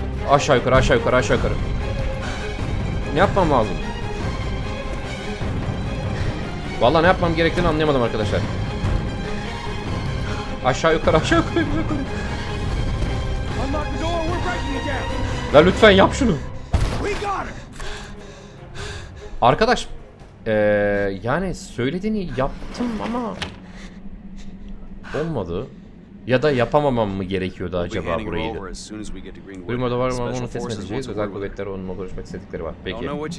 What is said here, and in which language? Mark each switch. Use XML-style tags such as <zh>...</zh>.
<tr>Aşağı yukarı, aşağı yukarı, aşağı yukarı. Ne yapmam lazım? Vallahi ne yapmam gerektiğini anlayamadım arkadaşlar. Aşağı yukarı, aşağı yukarı, aşağı yukarı.</tr> <en>Unlock the door, we're breaking it down.</en> <tr>La lütfen yap şunu.</tr> <en>We got it.</en> <tr>Arkadaş, yani söylediğini yaptım ama olmadı. Ya da yapamamam mı gerekiyordu acaba burayı? Green Order var mı? Onu test edeceğiz. Özel kuvvetler onunla görüşmek istedikleri var. Peki.</tr>